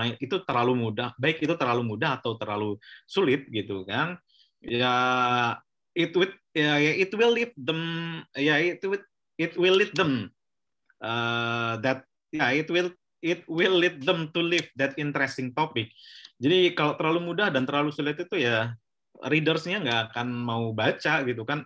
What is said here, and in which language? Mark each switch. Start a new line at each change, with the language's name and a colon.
Indonesian: Itu terlalu mudah, baik itu terlalu mudah atau terlalu sulit gitu kan?
English: Ya it will lead them. It will lead them to leave that interesting topic.
Indonesian: Jadi kalau terlalu mudah dan terlalu sulit itu ya readersnya nggak akan mau baca gitu kan.